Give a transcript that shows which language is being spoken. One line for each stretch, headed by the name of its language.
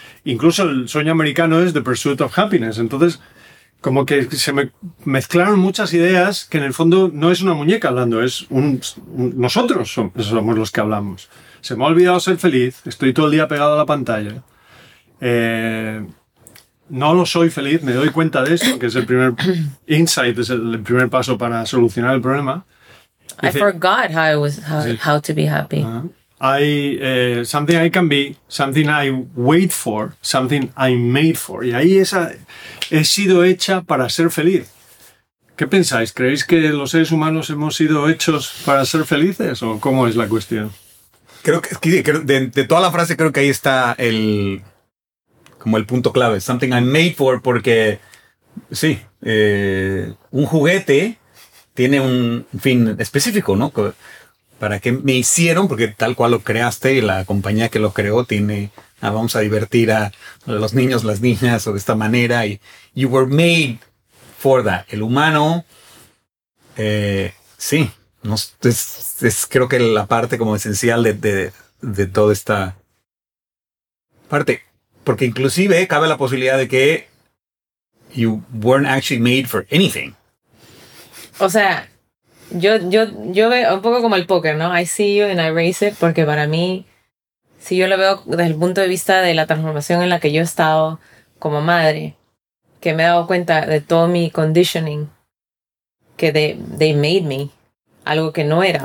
Spanish: Incluso el sueño americano es The Pursuit of Happiness. Entonces, como que se me mezclaron muchas ideas que en el fondo no es una muñeca hablando, es nosotros somos los que hablamos. Se me ha olvidado ser feliz, estoy todo el día pegado a la pantalla. No lo soy feliz, me doy cuenta de eso, que es el primer insight, es el primer paso para solucionar el problema.
English: How to be happy. Uh-huh. Something I can be, something I wait for, something I'm made for.
Spanish: Y ahí he sido hecha para ser feliz. ¿Qué pensáis? ¿Creéis que los seres humanos hemos sido hechos para ser felices? ¿O cómo es la cuestión? Creo que de toda la frase creo que ahí está el... como el punto clave.
English: Something I'm made for,
Spanish: porque sí, un juguete tiene un fin específico, ¿no? ¿Para qué me hicieron? Porque tal cual lo creaste y la compañía que lo creó tiene, ah, vamos a divertir a los niños, las niñas, o de esta manera. Y
English: you were made for that.
Spanish: El humano, sí, no, es creo que la parte como esencial de toda esta parte. Porque inclusive cabe la posibilidad de que
English: you weren't actually made for anything.
Spanish: O sea, yo veo un poco como el póker, ¿no?
English: I see you and I raise it,
Spanish: porque para mí, si yo lo veo desde el punto de vista de la transformación en la que yo he estado como madre, que me he dado cuenta de todo mi conditioning, que
English: they made me
Spanish: algo que no era.